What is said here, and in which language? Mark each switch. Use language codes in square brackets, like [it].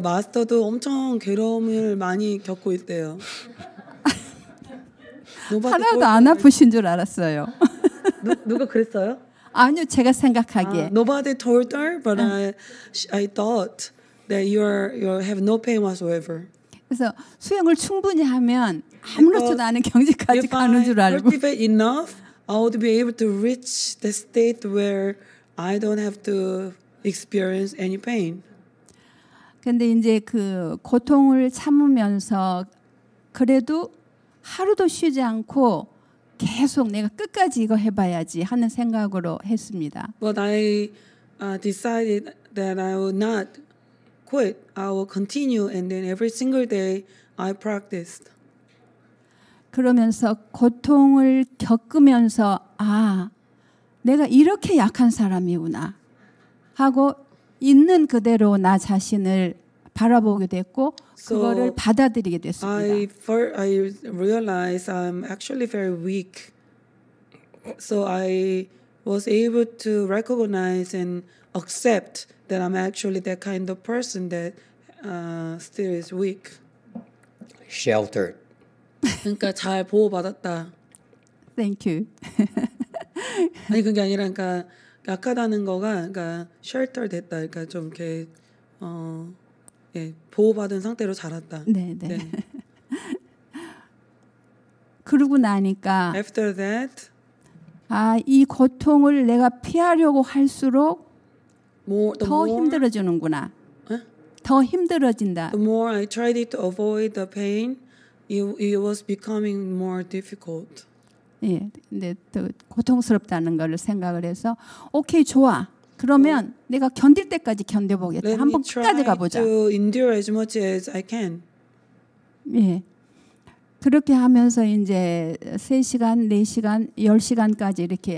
[ko] 마스터도 엄청 괴로움을 많이 겪고 있대요. 하나도 안 아프신 줄 알았어요. 누가 그랬어요? 아니요, 제가 생각하기에. [en] Nobody told her, but I thought that you have no pain whatsoever. [ko] 그래서 수행을 충분히 하면 아무렇지도 않은 경지까지 가는 줄 알고. [en] If I cultivate enough, I would be able to reach the state where I don't have to experience any pain. [ko] 근데 이제 그 고통을 참으면서 그래도 하루도 쉬지 않고 계속 내가 끝까지 이거 해봐야지 하는 생각으로 했습니다. [en] But I decided that I will not quit. I will continue, and then every single day I practiced. [ko] 그러면서 고통을 겪으면서 아 내가 이렇게 약한 사람이구나 하고 있는 그대로 나 자신을 바라보게 됐고 그거를 so 받아들이게 됐습니다. [en] I realized I'm actually very weak. So I was able to recognize and accept that I'm actually that kind of person that still is weak. Sheltered. [ko] 그러니까 잘 보호받았다. [en] Thank you. [ko] 아니 그게 아니라 그러니까 약하다는 거가 그러니까 shelter 됐다. 그러니까 좀 이렇게 예, 보호받은 상태로 자랐다. 네, 네. 그러고 나니까 [en] After that [ko] 아, 이 고통을 내가 피하려고 할수록 [en] more, [ko] 더 힘들어지는구나. 에? 더 힘들어진다. [en] The more I tried to avoid the pain, it was becoming more difficult. [ko] 예. 근데 더 고통스럽다는 걸 생각을 해서 오케이, 좋아. 그러면 well, 내가 견딜 때까지 견뎌보겠다. 한번 끝까지 가보자. [en] Let me try to endure as much as I can. [ko] 예. 그렇게 하면서 이제 3시간, 4시간, 10시간까지 이렇게